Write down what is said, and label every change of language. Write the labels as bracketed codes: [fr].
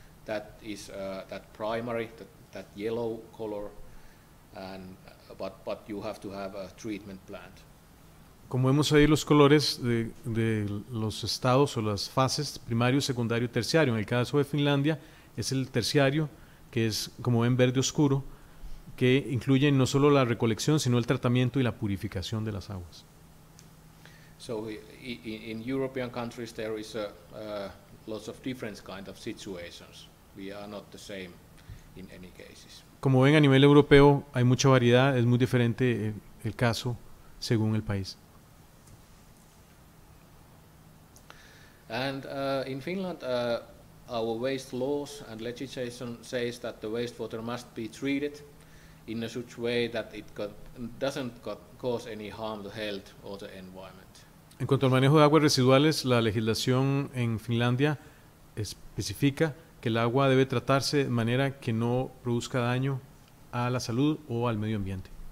[en] That is that primary, that yellow color, and but you have to have a treatment plant. [es] Como vemos ahí los colores de los estados o las fases, primario, secundario, terciario. En el caso de Finlandia es el terciario, que es como ven verde oscuro, que incluye no solo la recolección, sino el tratamiento y la purificación de las aguas. [en] So in European countries there is lots of different kind of situations. We are not the same in any cases. [es] Como ven, a nivel europeo hay mucha variedad, es muy diferente el caso según el país. [en] And in Finland our waste laws and legislation says that the wastewater must be treated in a such way that it doesn't cause any harm to health or the environment. [es] En cuanto al manejo de aguas residuales, la legislación en Finlandia especifica que el agua debe tratarse de manera que no produzca daño a la salud o al medio ambiente.